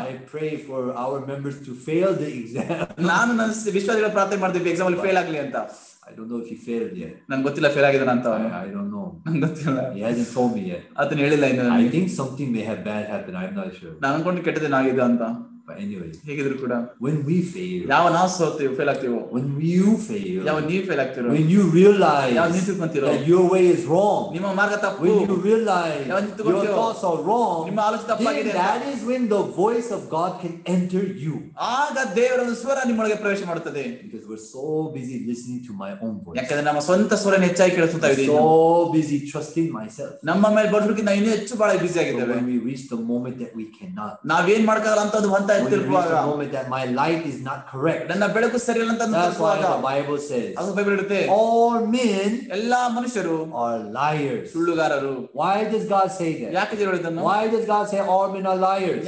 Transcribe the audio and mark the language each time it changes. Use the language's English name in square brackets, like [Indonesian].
[English] I pray for our members to fail the exam. [Kannada] ನಾನು ನನ್ನ ವಿಶ್ವಾಸಿಗಳ ಪ್ರಾರ್ಥನೆ ಮಾಡ್ತೀವಿ ಎಕ್ಸಾಮ್ ಅಲ್ಲಿ ಫೇಲ್ ಆಗ್ಲಿ ಅಂತ. [English] I don't know if he failed yet. [Kannada] ನನಗೆ ಗೊತ್ತಿಲ್ಲ ಫೇಲ್ ಆಗಿದ ಅಂತ. [English] I don't know. [Kannada] ನನಗೆ ಗೊತ್ತಿಲ್ಲ. [English] He hasn't told me yet. [Kannada] ಅದನ್ನ ಹೇಳಿಲ್ಲ ಇನ್ನು. [English] I think something may have bad happened. I'm not sure. [Kannada] ನಾನು ಅನ್ಕೊಂಡೆ ಕೆಟ್ಟದೇನ ಆಗಿದೆ ಅಂತ. [English] But anyway, [Kannada] ಹೇಗಿದ್ರು ಕೂಡ [English] when we fail, [Kannada] ಯಾವ ನಾವು ಸೋತೀವಿ ಫೇಲ್ ಆಗ್ತೀವೋ, [English] when you fail, [Kannada] ಯಾವ ನೀವು ಫೇಲ್ ಆಗ್ತೀರೋ, [English] when you realize, [Kannada] ಯಾವ ನೀವು ತಿಳ್ಕೊಂತೀರೋ, [English] that your way is wrong, [Kannada] ನಿಮ್ಮ ಮಾರ್ಗ ತಪ್ಪು, [English] when you realize, [Kannada] ಯಾವ ನೀವು ತಿಳ್ಕೊಂತೀರೋ, [English] your thoughts are wrong, [Kannada] ನಿಮ್ಮ ಆಲೋಚನೆ ತಪ್ಪಾಗಿದೆ, [English] that is when the voice of God can enter you, [Kannada] ಆಗ ದೇವರ ಸ್ವರ ನಿಮ್ಮೊಳಗೆ ಪ್ರವೇಶ ಮಾಡುತ್ತದೆ, [English] because we're so busy listening to my own voice, [Kannada] ಯಾಕಂದ್ರೆ ನಮ್ಮ ಸ್ವಂತ ಸ್ವರ ಹೆಚ್ಚಾಗಿ ಕೇಳಿಸುತ್ತಾ ಇದೆ, [English] so busy trusting myself, [Kannada] ನಮ್ಮ ಮೇಲೆ ಬರೋದಕ್ಕಿಂತ ಇನ್ನೂ ಹೆಚ್ಚು ಬಹಳ ಬಿಸಿ ಆಗಿದ್ದೇವೆ, [English] when we reach the moment that we cannot, [Kannada] ನಾವೇನ್ ಮಾಡ್ಕಲ್ಲ ಅಂತ ಒಂದು ಹಂತ ಇರುವಾಗ, [English] the moment that my light is not correct, [Kannada] ನನ್ನ ಬೆಳಕು ಸರಿಯಲ್ಲ ಅಂತ ಅನ್ಸುವಾಗ, [English] the Bible says, [Kannada] ಅದು ಬೈಬಲ್ ಹೇಳುತ್ತೆ, [English] all men, [Kannada] ಎಲ್ಲಾ ಮನುಷ್ಯರು, [English] are liars, [Kannada] ಸುಳ್ಳುಗಾರರು, [English] why does God say that, [Kannada] ಯಾಕೆ ಹೇಳಿದನು, [English] why does God say all men are liars,